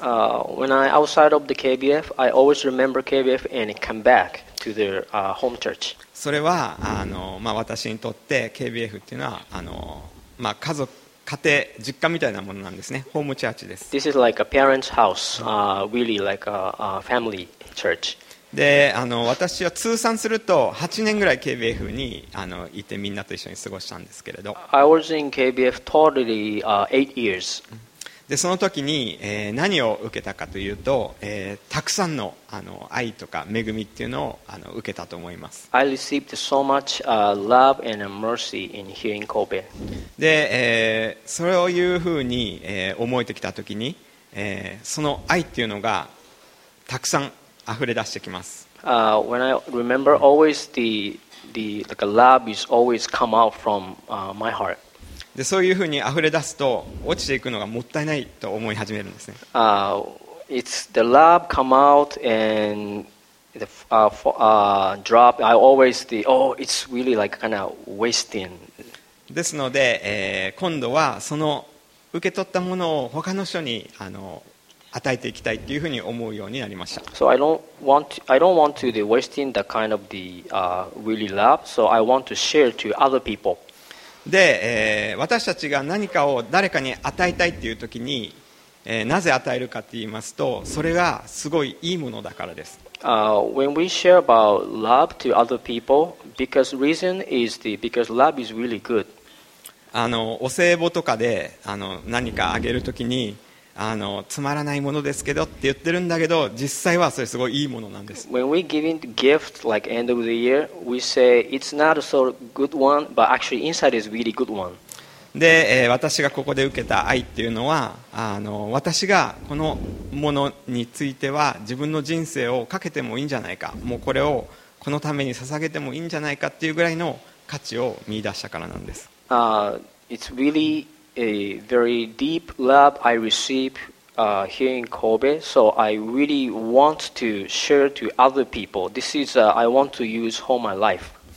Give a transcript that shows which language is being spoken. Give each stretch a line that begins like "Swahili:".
English: When I outside of the KBF, I always remember KBF and come back to their home church.
Japanese: それは私にとって KBF っていうのは家族、家庭、実家みたいなものなんですね。ホームチャーチです。
English: This is like a parents' house, really like a family church.
Japanese: で、私は通算すると8年ぐらい KBF にいてみんなと一緒に過ごしたんですけれど。
English: I was in KBF totally 8 years.
Japanese: でその時に、何を受けたかというと、たくさん の愛とか恵みっていうのを受けたと思います。
English: I received so much love and mercy in here in Kobe.
Japanese: で、それをいうふうに、思えてきた時に、その愛っていうのがたくさん溢れ出してきます。
English: When I remember always the like love is always come out from my heart.
Japanese: でそういうふうに溢れ出すと落ちていくのがもったいないと思い始めるんですね。
English: It's the love come out and the drop. I always the oh, it's really like kind of wasting.
Japanese: ですので、今度はその受け取ったものを他の人に与えていきたいというふうに思うようになりました。
English: So I don't want to the wasting the kind of the really love. So I want to share to other people.
Japanese: で、私たちが何かを誰かに与えたいっていう時に、なぜ与えるかって言いますと、それがすごいいいものだからです。
English: When we share about love to other people, because reason is the because love is really good.
Japanese: お歳暮とかで何かあげる時に、つまらないものですけどって言ってるんだけど、実際はそれすごいいいものなんです。
English: When we giving gift like end of the year, we say it's not so good one, but actually inside is really good one.
Japanese: で、私がここで受けた愛っていうのは、私がこのものについては自分の人生をかけてもいいんじゃないか、もうこれをこのために捧げてもいいんじゃないかっていうぐらいの価値を見出したからなんです。
English: It's really a very deep love I receive here in Kobe, so I really want to share to other people. This is I want to use all my life.